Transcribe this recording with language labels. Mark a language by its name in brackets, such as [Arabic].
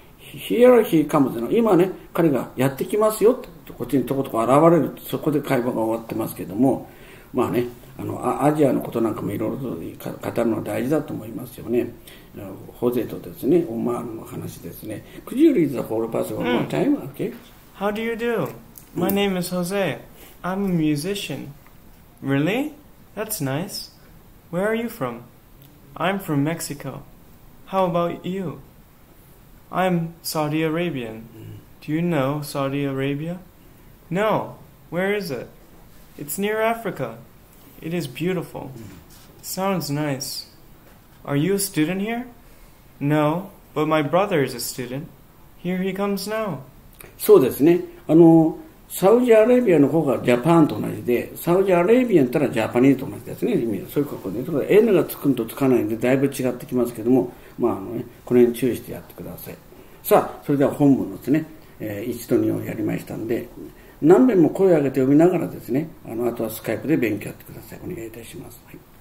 [English] Here he comes. [Japanese] 今ね、彼がやってきますよ。こっちにとことこ現れる。そこで会話が終わってますけども、まあね。アジアのことなんかもいろいろと語るのは大事だと思いますよね。ホゼとですね、オマールの話ですね。 [English] Could you read the whole passage one more time? Okay. How do you do? My name is Jose. I'm a musician. Really? That's nice. Where are you from? I'm from Mexico. How about you? I'm Saudi Arabian. Do you know Saudi Arabia? No. Where is it? It's near Africa. It is beautiful. Sounds nice. Are you a student here? No, but my brother is a student. Here he comes now. [Japanese] そうですね。サウジアラビアの方がジャパンと同じで、サウジアラビアだったらジャパニーズと同じですね。意味はそういうことです。だから N がつくんとつかないんでだいぶ違ってきますけども、まあね、これに注意してやってください。さあ、それでは本文ですね。一度にやりましたんで、何遍も声を上げて読みながらですね、あとはスカイプで勉強やってください。お願いいたします。はい。